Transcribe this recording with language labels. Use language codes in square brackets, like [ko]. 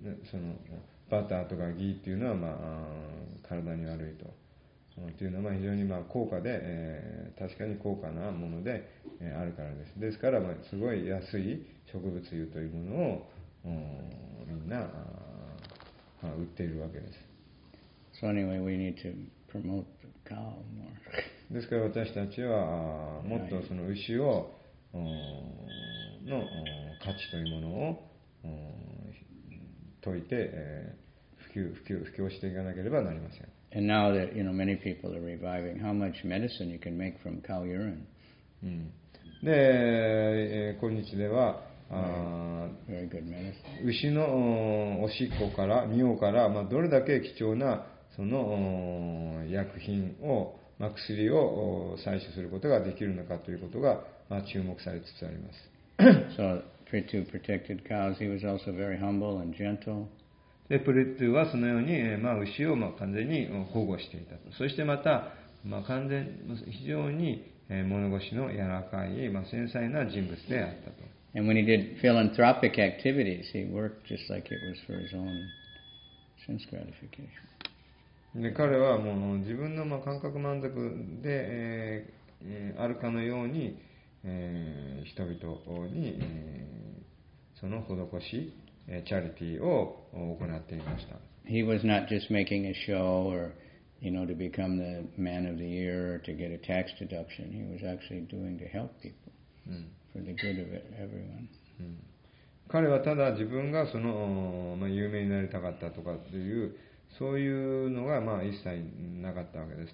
[ja] その、バターとかギーっていうのは、まあ、体に悪いと。というのは非常に高価で、確かに高価なものであるからです。ですから、すごい安い植物油というものをみんな売っているわけです。 [en] So anyway, we need to promote the cow more. [ja] ですから私たちはもっとその牛をの価値というものを説いて普及していかなければなりません。 [en] And now that you know many people are reviving, how much medicine you can make from cow urine? [ja] で、今日では [en] Very good medicine. [ja] 牛のおしっこから尿からどれだけ貴重なその薬品を薬を採取することができるのかということが注目されつつあります。 [en] So, Prithu protected cows. He was also very humble and gentle. [ja] で、プリトゥはそのように牛を完全に保護していた。そしてまた完全非常に物腰の柔らかい繊細な人物であったと。 [en] And when he did philanthropic activities, he worked just like it was for his own sense gratification. [ja] で彼はもう自分の感覚満足で、あるかのように、人々に、その施しチャリティーを行っていました。 [en] He was not just making a show or, you know, to become the man of the year or to get a tax deduction. He was actually doing to help people for the good of everyone.、 [ja] 彼はただ自分がその、有名になりたかったとかというそういうのが一切なかったわけです。